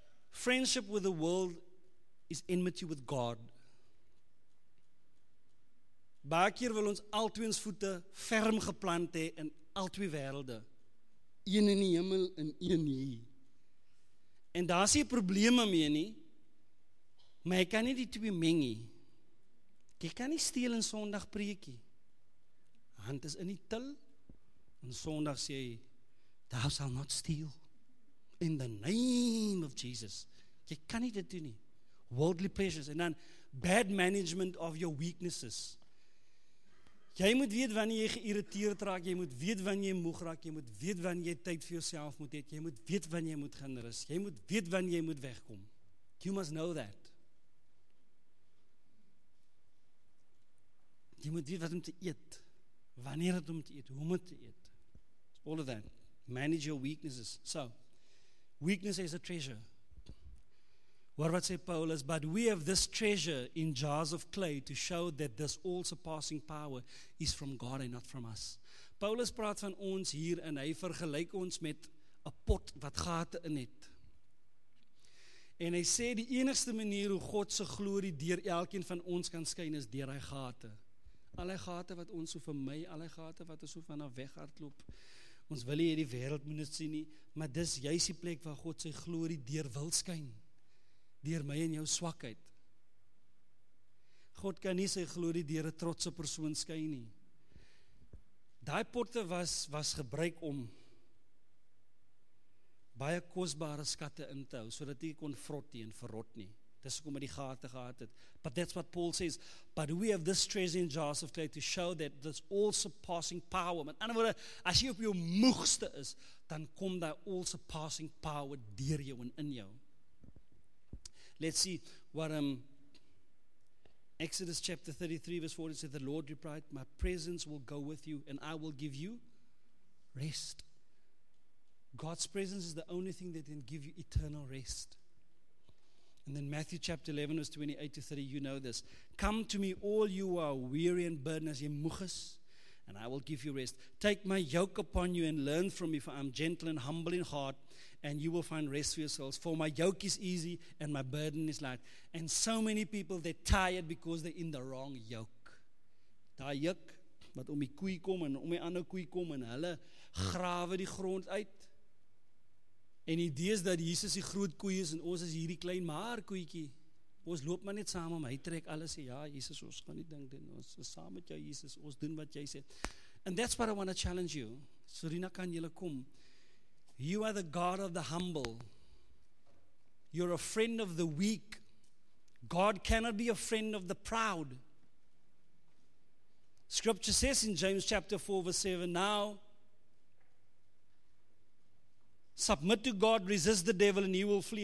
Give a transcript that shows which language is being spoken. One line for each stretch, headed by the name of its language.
English: Friendship with the world is enmity with God.
Afrikaans: Baie keer wil ons al twee ons voete ferm geplant hê in al twee werelde. Een in die hemel en een hier. En daar is nie probleme mee nie. Maar jy kan nie die twee meng nie. Jy kan nie steel in Sondag preekie. Hand is in die til, en Sondag sê hy,
English: thou shall not steal, in the name of Jesus.
Afrikaans: Jy kan nie dit doen nie.
English: worldly pleasures.
Afrikaans: En dan
English: bad management of your weaknesses.
Afrikaans: Jy moet weet wanneer jy geïrriteerd raak, jy moet weet wanneer jy moeg raak, jy moet weet wanneer jy tyd vir jouself moet het, jy moet weet wanneer jy moet gaan rus, jy moet weet wanneer jy moet wegkom.
English: You must know that.
Afrikaans: Jy moet weet wat om te eet, wanneer het om te eet, hoe moet te eet.
English: All of that. Manage your weaknesses. So, weakness is a treasure. What would say Paulus? But we have this treasure in jars of clay to show that this all-surpassing power is from God and not from us.
Afrikaans: Paulus praat van ons hier en hy vergelyk ons met 'n pot wat gate in het. En hy sê die enigste manier hoe God se glorie deur elkeen van ons kan skyn is deur hy gate. Al hy gate wat ons so vermy, al hy gate wat ons so vanaf weghardloop. Ons wil nie die wêreld moet dit sien nie, maar dis juist die plek waar God sy glorie deur wil skyn. Deur my en jou swakheid. God kan nie sy glorie deur 'n trotse persoon skyn nie. Daai potte was gebruik om baie kosbare skatte in te hou, sodat jy kon vrot teen verrot nie. Dis hoekom hy die gate gehad het.
English: But that's what Paul says, but we have this treasure in jars of clay to show that this all-surpassing power.
Afrikaans: Met ander woorde, as jy op jou moegste is, dan kom daai
English: all-surpassing power
Afrikaans: deur jou en in jou.
English: Let's see what Exodus chapter 33 verse 40 said, the Lord replied, my presence will go with you and I will give you rest. God's presence is the only thing that can give you eternal rest. And then Matthew chapter 11 verse 28 to 30, you know this. Come to me all you are weary and burdened
Afrikaans: as jy moeg is,
English: and I will give you rest. Take my yoke upon you and learn from me, for I am gentle and humble in heart, and you will find rest for yourselves. For my yoke is easy and my burden is light. And so many people, they're tired because they're in the wrong yoke.
Afrikaans: Daai juk wat om die koei kom en om die ander koei kom en hulle grawe die grond uit. En die idee is dat Jesus die groot koei is en ons is hierdie klein maar koeitjie. Ons loop maar net saam om, hy trek alles, ja, Jesus, ons gaan nie ding doen, ons is saam met jou, Jesus, ons doen wat jy sê.
English: And that's what I want to challenge you. Serena,
Afrikaans: kan jylle kom?
English: You are the God of the humble. You're a friend of the weak. God cannot be a friend of the proud. Scripture says in James chapter 4 verse 7, now, submit to God, resist the devil and he will flee.